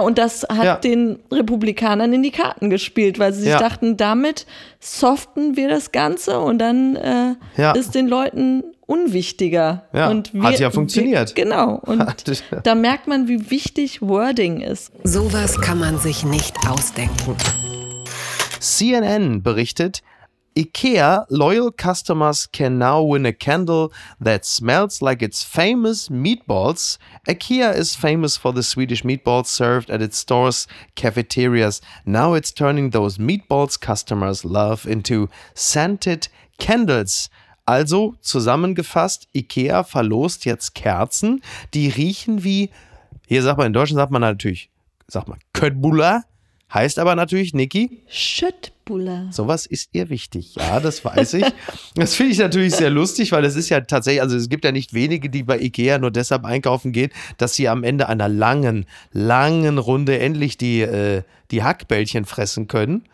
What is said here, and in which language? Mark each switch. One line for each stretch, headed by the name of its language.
German: Und das hat den Republikanern in die Karten gespielt, weil sie sich dachten, damit soften wir das Ganze und dann ist den Leuten unwichtiger. Ja, und hat ja funktioniert. Genau. Und da merkt man, wie wichtig Wording ist. Sowas kann man sich nicht ausdenken.
English: CNN
German: berichtet,
English: IKEA loyal customers can now win a candle that smells like its famous meatballs. IKEA is famous for the Swedish meatballs served at its stores, cafeterias. Now it's turning those meatballs customers love into scented candles.
German: Also zusammengefasst, IKEA verlost jetzt Kerzen, die riechen wie, hier sagt man, in Deutschland sagt man natürlich, sag mal, Köttbulla, heißt aber natürlich, Niki, Schöttbulla. Sowas ist ihr wichtig, ja, das weiß ich. Das finde ich natürlich sehr lustig, weil es ist ja tatsächlich, also es gibt ja nicht wenige, die bei IKEA nur deshalb einkaufen gehen, dass sie am Ende einer langen, langen Runde endlich die Hackbällchen fressen können.